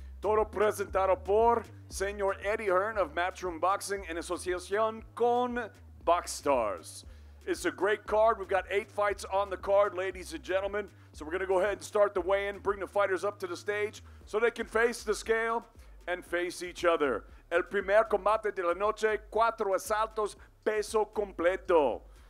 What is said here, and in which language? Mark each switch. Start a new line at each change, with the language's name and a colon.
Spanish: Todo presentado por señor Eddie Hearn of Matchroom Boxing en asociación con Boxstars.
English: It's a great card. We've got 8 fights on the card, ladies and gentlemen. So we're going to go ahead and start the weigh-in, bring the fighters up to the stage so they can face the scale and face each other.
Spanish: El primer combate de la noche, 4 asaltos, peso completo.